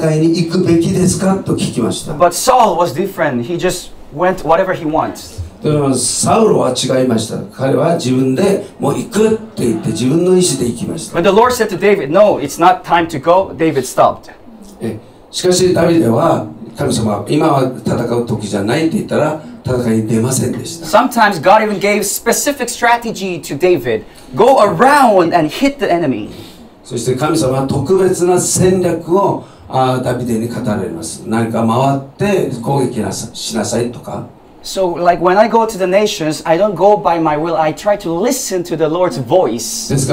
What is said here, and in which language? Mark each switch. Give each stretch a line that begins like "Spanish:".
Japanese: ダビデはいつも聞きました。神様、私はこの戦いに行くべきですかと聞きました。
English: But Saul was different. He just went whatever he wants.
Japanese: でもサウルは違いました。彼は自分でもう行くって言って自分の意思で行きました。
English: When the Lord said to David, "No, it's not time to go," David stopped.
Japanese: しかしダビデは神様、今は戦う時じゃないって言ったら。
English: Sometimes God even gave specific strategy to David. Go around and hit the enemy.
Japanese: そして神様は特別な戦略をダビデに語られます。何か回って攻撃しなさいとか。
English: So like when I go to the nations, I don't go by my will. I try to listen to the Lord's voice.